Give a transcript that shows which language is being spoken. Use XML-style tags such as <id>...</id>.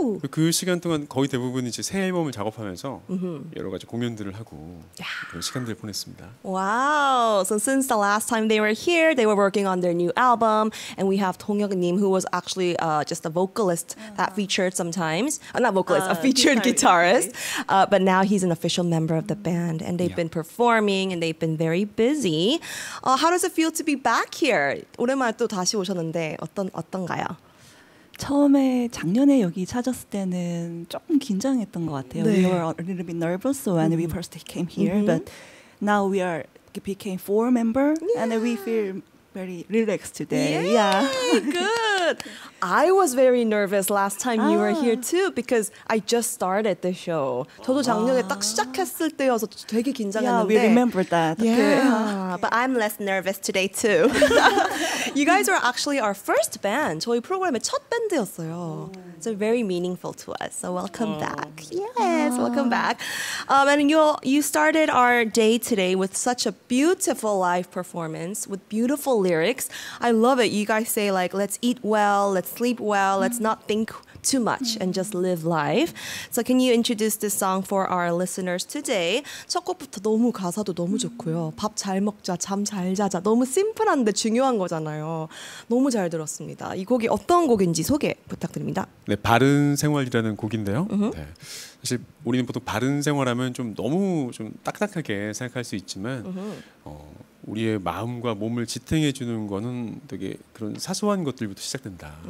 <ko>그 시간 동안 거의 대부분 이제 새 앨범을 작업하면서 여러 가지 공연들을 하고 그런 시간들을 보냈습니다.</ko> <en>Wow. So since the last time they were here, they were working on their new album, and we have 동혁님 who was actually just a vocalist that featured sometimes. Not vocalist, a featured guitarist. But now he's an official member of the band, and they've been performing, and they've been very busy. How does it feel to be back here?</en> <ko>오랜만에 또 다시 오셨는데 어떤가요? 처음에 작년에 여기 찾았을 때는 조금 긴장했던 것 같아요.</ko> <en>네. We were a little bit nervous when we first came here, but now we are became four member and we feel very relaxed today. Good. I was very nervous last time you were here too because I just started the show.</en> <ko>저도 작년에 딱 시작했을 때여서 되게 긴장했는데.</ko> <en>Yeah, we remember that. Yeah. But I'm less nervous today too. You guys are actually our first band.</en> <ko>저희 프로그램의 첫 밴드였어요.</ko> <en>So very meaningful to us. So welcome back. Yes, welcome back. And you started our day today with such a beautiful live performance with beautiful lyrics. I love it. You guys say like, let's eat well, let's sleep well, let's not think too much and just live life. So can you introduce this song for our listeners today?</en> <ko>첫 곡부터 너무 가사도 너무 좋고요. 밥 잘 먹자, 잠 잘 자자. 너무 심플한데 중요한 거잖아요. 너무 잘 들었습니다. 이 곡이 어떤 곡인지 소개 부탁드립니다. 네, 바른 생활이라는 곡인데요. 네. 사실 우리는 보통 바른 생활하면 좀 너무 좀 딱딱하게 생각할 수 있지만 우리의 마음과 몸을 지탱해 주는 거는 되게 그런 사소한 것들부터 시작된다.</ko>